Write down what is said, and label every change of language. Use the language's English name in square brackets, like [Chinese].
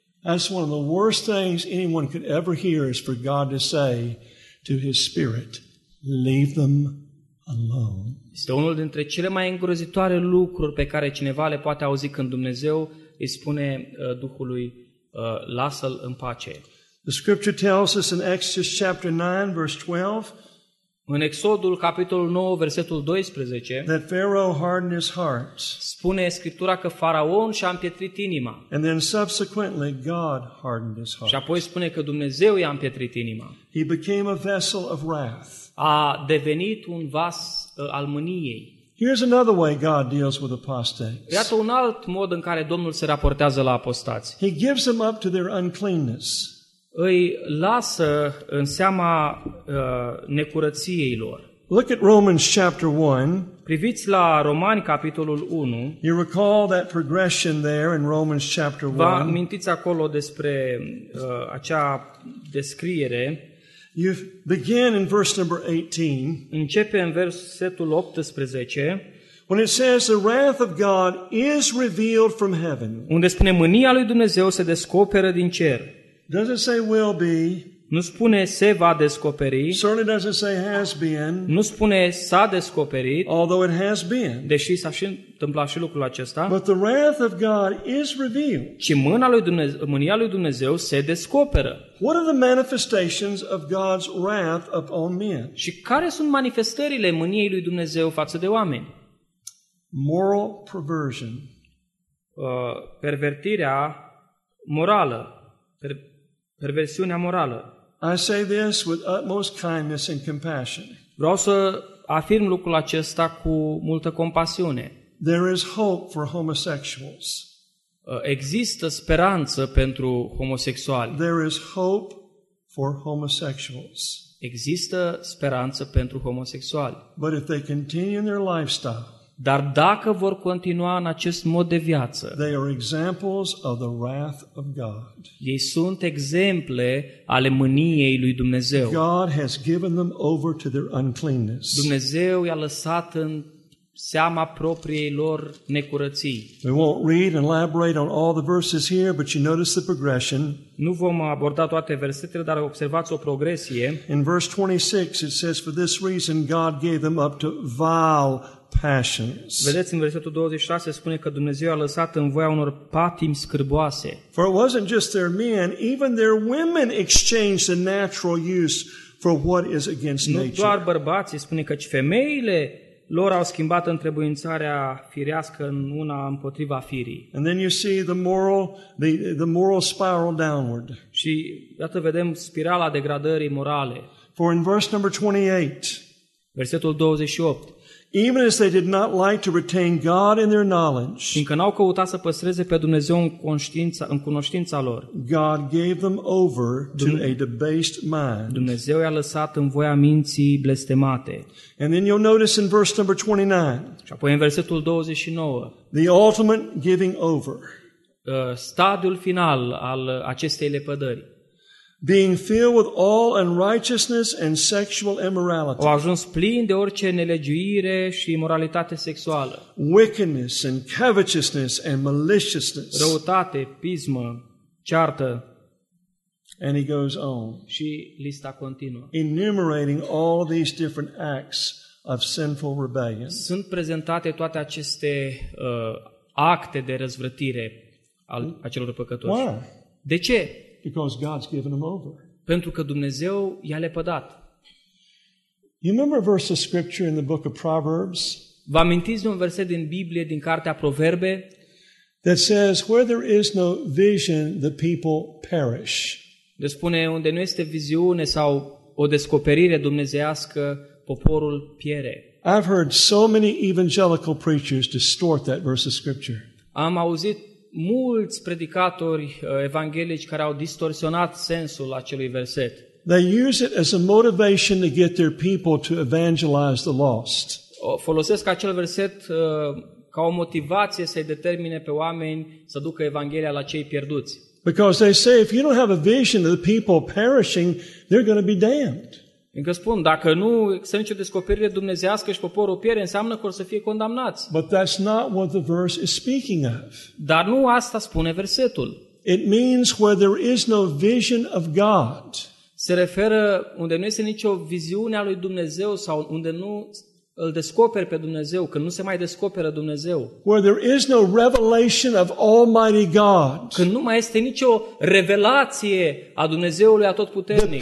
[English] That's one of the worst things anyone could ever hear is for God to say to his spirit, leave them alone. [Romanian] Este unul dintre cele mai îngrozitoare lucruri pe care cineva le poate auzi când Dumnezeu îi spune Duhului, lasă-l în pace. [English] The scripture tells us in Exodus chapter 9, verse 12, [Romanian] în Exodul capitolul 9, versetul 12, [English] that Pharaoh hardened his heart. [Romanian] Spune Scriptura că faraon și-a împietrit inima. [English] And then subsequently God hardened his heart. [Romanian] Și apoi spune că Dumnezeu i-a împietrit inima. [English] He became a vessel of wrath. [Romanian] A devenit un vas al mâniei. [English] Here's another way God deals with apostates. [Romanian] Iată un alt mod în care Domnul se raportează la apostați. [English] He gives them up to their uncleanness. [Romanian] Îi lasă în seama necurăției lor. [English] Look at Romans chapter 1. [Romanian] Priviți la Romani capitolul 1. [English] You recall that progression there in Romans chapter 1. [Romanian] Vă amintiți acolo despre acea descriere? [English] You begin in verse number 18. [Romanian] Începe în versetul 18. [English] When it says the wrath of God is revealed from heaven. [Romanian] Unde spune mânia lui Dumnezeu se descoperă din cer. [English] Doesn't say will be. [Romanian] Nu spune se va descoperi. [English] Certainly doesn't say has been. [Romanian] Nu spune s-a descoperit. [English] Although it has been. [Romanian] Deși s-a și întâmplat și lucrul acesta. [English] But the wrath of God is revealed. [Romanian] Ci mânia lui Dumnezeu se descoperă. [English] What are the manifestations of God's wrath upon men? [Romanian] Și care sunt manifestările mâniei lui Dumnezeu față de oameni? [English] Moral perversion. [Romanian] Pervertirea morală. Perversiunea morală. [English] I say this with utmost kindness and compassion. [Romanian] Vreau să afirm lucrul acesta cu multă compasiune. [English] There is hope for homosexuals. [Romanian] Există speranță pentru homosexuali. [English] There is hope for homosexuals. [Romanian] Există speranță pentru homosexuali. [English] But if they continue in their lifestyle, [Romanian] dar dacă vor continua în acest mod de viață, [English] they are examples of the wrath of God. [Romanian] Ei sunt exemple ale mâniei lui Dumnezeu. [English] God has given them over to their uncleanness. [Romanian] Dumnezeu i-a lăsat în seama propriei lor necurății. [English] We won't read and elaborate on all the verses here, but you notice the progression. [Romanian] Nu vom aborda toate versetele, dar observați o progresie. [English] In verse 26 it says, for this reason God gave them up to vile passions. [Romanian] Vedeți, în versetul 26 spune că Dumnezeu a lăsat în voia unor patimi scârboase. [English] For it wasn't just their men, even their women exchanged the natural use for what is against nature. [Romanian] Nu doar bărbații, spune că și femeile lor au schimbat întrebuințarea firească în una împotriva firii. [English] And then you see the moral spiral downward. [Romanian] Și iată vedem spirala degradării morale. [English] For in verse number 28. [Romanian] Versetul 28. [English] Even as they did not like to retain God in their knowledge, [Romanian] fiindcă n-au căutat să păstreze pe Dumnezeu în cunoștința lor, [English] God gave them over to a debased mind. [Romanian] Dumnezeu i-a lăsat în voia minții blestemate. [English] And then you'll notice in verse number 29. [Romanian] Și apoi în versetul 29. [English] The ultimate giving over. [Romanian] Stadiul final al acestei lepădări. [English] Being filled with all unrighteousness and sexual immorality. [Romanian] Au ajuns plin de orice nelegiuire și imoralitate sexuală. [English] Wickedness and covetousness and maliciousness. [Romanian] Răutate, pismă, ceartă. [English] And he goes on. [Romanian] Și lista continuă. [English] Enumerating all these different acts of sinful rebellion. [Romanian] Sunt prezentate toate aceste acte de răzvrătire al acelor păcătoși. [English] Why? [Romanian] De ce? [English] Because God's given them over. [Romanian] Pentru că Dumnezeu i-a lepădat. [English] You remember a verse of scripture in the book of Proverbs? [Romanian] Vă amintiți de un verset din Biblie, din cartea Proverbe? [English] That says where there is no vision, the people perish. [Romanian] De spune unde nu este viziune sau o descoperire dumnezeiască, poporul piere. [English] I've heard so many evangelical preachers distort that verse of scripture. [Romanian] Am auzit mulți predicatori evanghelici care au distorsionat sensul acelui verset. [English] They use it as a motivation to get their people to evangelize the lost. [Romanian] Folosesc acel verset ca o motivație să-i determine pe oameni să ducă evanghelia la cei pierduți. [English] Because they say if you don't have a vision of the people perishing, they're going to be damned. [Romanian] Încă spun, dacă nu există nicio descoperire dumnezeiască și poporul piere, înseamnă că o să fie condamnați. [English] But that's not what the verse is speaking of. [Romanian] Dar nu asta spune versetul. [English] It means where there is no vision of God. [Romanian] Se referă unde nu este nicio viziune a lui Dumnezeu sau unde nu îl descoperi pe Dumnezeu, când nu se mai descoperă Dumnezeu. [English] Where there is no revelation of Almighty God. [Romanian] Când nu mai este nicio revelație a Dumnezeului Atotputernic.